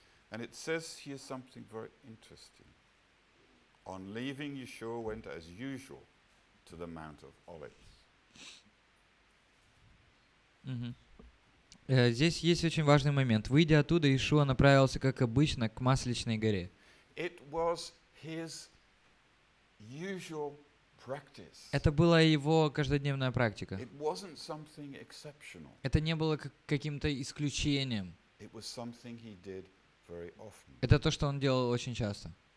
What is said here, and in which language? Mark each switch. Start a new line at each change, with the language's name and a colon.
English: And it says here something very interesting. On leaving, Yeshua went as usual to the Mount of Olives.
Russian: Здесь есть очень важный момент. Выйдя оттуда, Иешуа направился, как обычно, к Масличной горе.
English: It was his usual practice.
Russian: Это была его каждодневная практика.
English: It wasn't something exceptional.
Russian: Это не было каким-то исключением.
English: It was something he did.
Russian: Это то, что он делал очень часто.